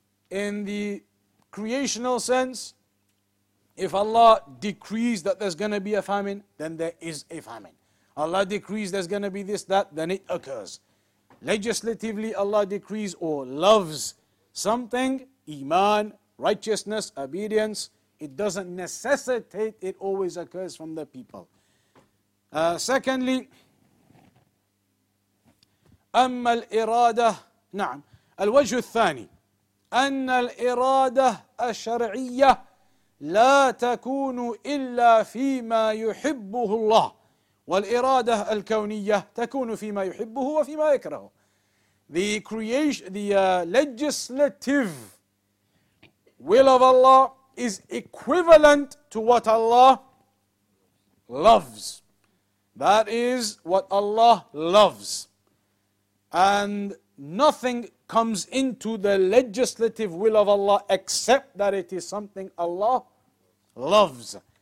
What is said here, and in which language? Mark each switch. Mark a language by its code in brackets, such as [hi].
[en] In the creational sense, if Allah decrees that there's going to be a famine, then there is a famine. Allah decrees there's going to be this, that, then it occurs. Legislatively, Allah decrees or loves something, iman, righteousness, obedience. It doesn't necessitate, it always occurs from the people. [ar] Secondly, أما الإرادة نعم الوجه الثاني أن الإرادة الشرعية لا تكون إلا فيما يحبه الله والإرادة الكونية تكون فيما يحبه وفيما يكرهه. [en] The creation, the legislative will of Allah is equivalent to what Allah loves. That is what Allah loves. And nothing comes into the legislative will of Allah except that it is something Allah loves.